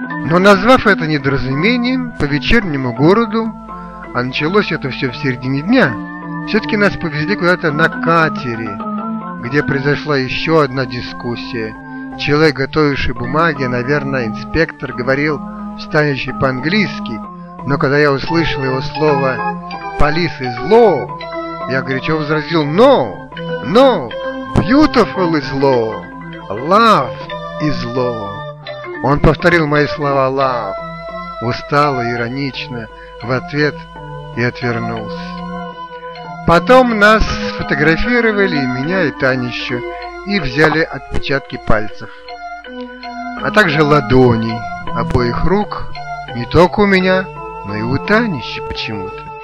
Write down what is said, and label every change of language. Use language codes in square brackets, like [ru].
[ru] Но назвав это недоразумением, по вечернему городу, а началось это все в середине дня, все-таки нас повезли куда-то на катере, где произошла еще одна дискуссия. Человек, готовивший бумаги, наверное, инспектор, говорил, станущий по-английски, но когда я услышал его слово «полис из ло», я горячо возразил «но! Но!» [en] Beautiful is law, love is law. [ru] Он повторил мои слова love, устало, иронично, в ответ и отвернулся. Потом нас сфотографировали, и меня, и Танищу, и взяли отпечатки пальцев, а также ладони обоих рук, не только у меня, но и у Танищи почему-то.